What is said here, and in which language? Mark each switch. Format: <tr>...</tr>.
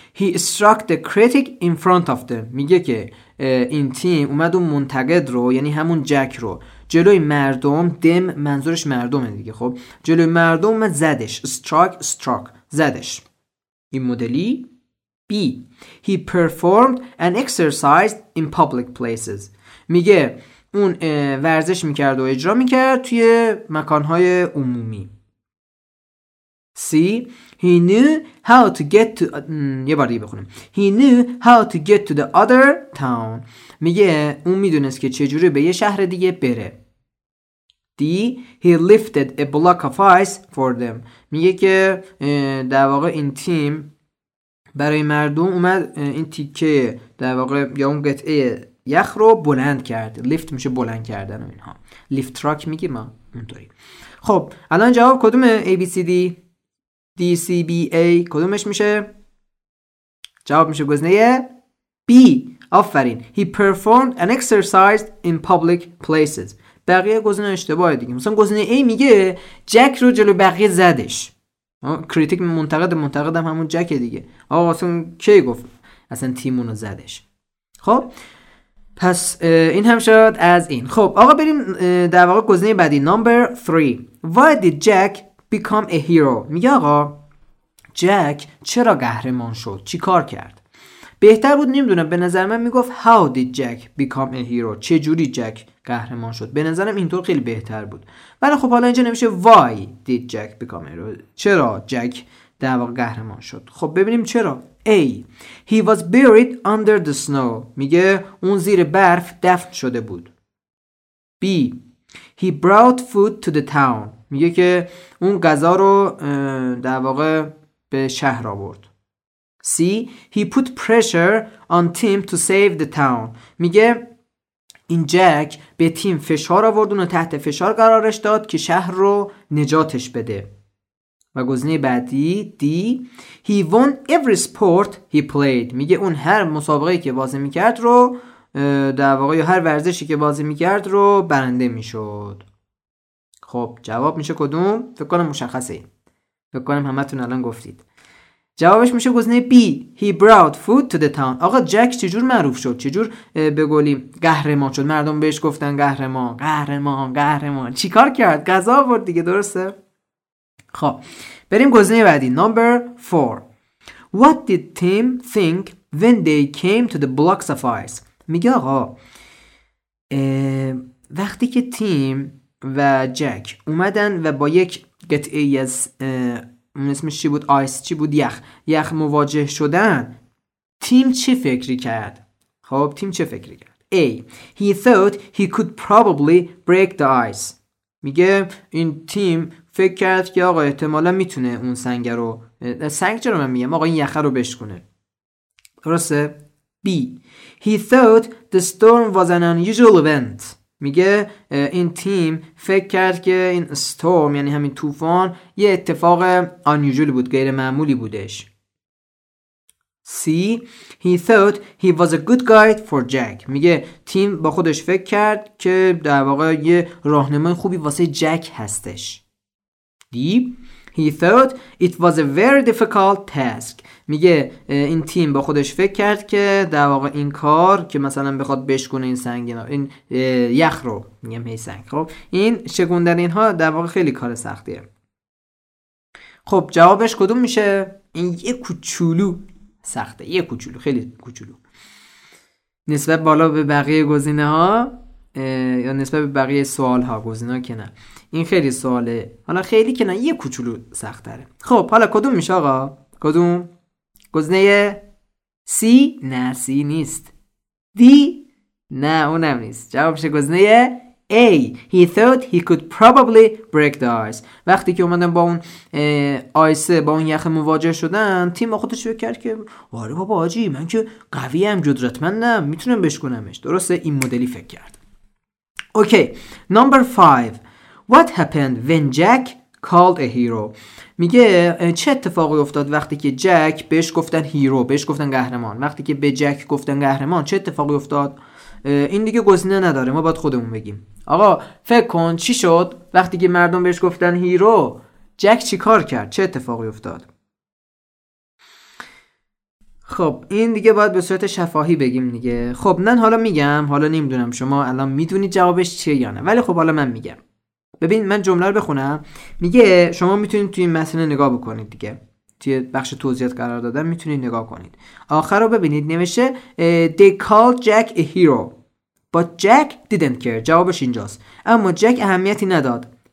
<en>He struck the critic in front of them،</en> <fa>میگه که این تیم اومد اون منتقد رو، یعنی همون جک رو، جلوی مردم، دم منظورش مردمه دیگه، خب جلوی مردم اومد زدش، struck زدش، این مدلی.</fa> <en>B. He performed an exercise in public places،</en> <fa>میگه اون ورزش میکرد و اجرا میکرد توی مکانهای عمومی.</fa> <en>C. He knew how to get to</en> <fa>یه بار دیگه بخونیم.</fa> <en>He knew how to get to the other town،</en> <fa>میگه اون میدونست که چجوری به یه شهر دیگه بره.</fa> <en>D.</en> <fa>He lifted a block of ice for them، میگه که در واقع این تیم برای مردم اومد این تیکه در واقع یا اون قطعه یخ رو بلند کرد، لیفت میشه بلند کردن و اینها، لیفت تراک میگی ما اونطوری. خب الان جواب کدومه؟ A B C D، D C B A، کدومش میشه؟ جواب میشه گزینه B. آفرین.</fa> <en>He performed an exercise in public places.</en> <fa>بقیه گزینه اشتباهه دیگه. مثلا گزینه A میگه جک رو جلو بقیه زدش، کریتیک منتقد هم همون جک دیگه، آقا اصلا کی گفت اصلا تیمونو زدش. خب پس این هم شد از این. خب آقا بریم در واقع گزینه بعدی نمبر 3.</fa> <en>Why did Jack become a hero؟</en> <fa>میگه آقا جک چرا قهرمان شد؟ چی کار کرد؟ بهتر بود نمیدونم به نظر من میگفت</fa> <en>How did Jack become a hero؟</en> <fa>چجوری جک قهرمان شد؟ به نظرم اینطور خیلی بهتر بود. ولی خب حالا اینجا نمیشه</fa> <en>Why did Jack become a hero؟</en> <fa>چرا جک در واقع قهرمان شد؟ خب ببینیم چرا.</fa> <en>A. He was buried under the snow.</en> <fa>میگه اون زیر برف دفن شده بود.</fa> <en>B. He brought food to the town.</en> <fa>میگه که اون غذا رو در واقع به شهر آورد.</fa> <en>C. He put pressure on Tim to save the town.</en> <fa>میگه این جک به تیم فشار آورد، اون رو تحت فشار قرارش داد که شهر رو نجاتش بده. و گزینه بعدی D.</fa> <en>He won every sport he played.</en> <fa>میگه اون هر مسابقه‌ای که بازی میکرد رو در واقع یا هر ورزشی که بازی میکرد رو برنده میشد. خب جواب میشه کدوم؟ فکر کنم مشخصه. فکر کنم همه تون الان گفتید. جوابش میشه گزینه B.</fa> <en>He brought food to the town.</en> <fa>آقا جک چجور معروف شد؟ چجور به گلی قهرمان شد؟ مردم بهش گفتن قهرمان، قهرمان، قهرمان. چی کار کرد؟ غذا آورد دیگه، درسته؟ خب بریم گزینه بعدی نمبر 4.</fa> <en>What did Tim think when they came to the blocks of ice؟</en> <fa>میگه آقا وقتی که تیم و جک اومدن و با یک قطعه از اون اسمش چی بود؟ آیس چی بود؟ یخ، یخ مواجه شدن، تیم چی فکری کرد؟ خب تیم چه فکری کرد؟ A.</fa> <en>He thought he could probably break the ice.</en> <fa>میگه این تیم فکر کرد که آقا احتمالا میتونه اون سنگ رو، سنگ چرا من میگم، آقا این یخه رو بشکنه، درسته؟ B.</fa> <en>He thought the storm was an unusual event.</en> <fa>میگه این تیم فکر کرد که این استورم یعنی همین طوفان یه اتفاق unusual بود، غیر معمولی بودش.</fa> <en>C. He thought he was a good guide for Jack.</en> <fa>میگه تیم با خودش فکر کرد که در واقع یه راهنمای خوبی واسه جک هستش.</fa> <en>Deep. He thought it was a very difficult task.</en> <fa>میگه این تیم با خودش فکر کرد که در واقع این کار که مثلا بخواد بشکونه این سنگ، این یخ رو، میگم هی سنگ، خب این شکوندن اینها در واقع خیلی کار سختیه. خب جوابش کدوم میشه؟ این یه کوچولو سخته، یه کوچولو، خیلی کوچولو نسبت بالا به بقیه گزینه ها، یا نسبت به بقیه سوال ها، گزینه ها که نه، این خیلی سواله، حالا خیلی که نه، یه کوچولو سخت تره. خب حالا کدوم میشه آقا؟ کدوم؟ گزینه C؟ نه C نیست. D؟ نه اونم نیست. جوابش گزینه A. He thought he could probably break the ice. وقتی که اومدن با اون آیس، با اون یخ مواجه شدن، تیم خودش فکر کرد که آره بابا آجی، من که قویم، قدرتمندم، میتونم بشکنمش، درسته؟ این مدلی فکر کرد. اوکی نمبر 5.</fa> <en>What happened when Jack called a hero؟</en> <fa>میگه چه اتفاقی افتاد وقتی که جک بهش گفتن هیرو، بهش گفتن قهرمان، وقتی که به جک گفتن قهرمان چه اتفاقی افتاد؟ این دیگه گزینه نداره، ما باید خودمون بگیم. آقا فکر کن چی شد وقتی که مردم بهش گفتن هیرو، جک چی کار کرد، چه اتفاقی افتاد؟ خب این دیگه باید به صورت شفاهی بگیم دیگه. خب من حالا میگم، حالا نمیدونم شما الان میدونید جوابش چیه یا نه، ولی خب حالا من میگم. ببین من جمله رو بخونم، میگه شما میتونید توی این مسئله نگاه بکنید دیگه، توی بخش توضیحات قرار دادم میتونید نگاه کنید، آخر رو ببینید.</fa> <en>نوشته They called Jack a hero but Jack didn't care.</en> <fa>جوابش اینجاست، اما جک اهمیتی نداد.</fa>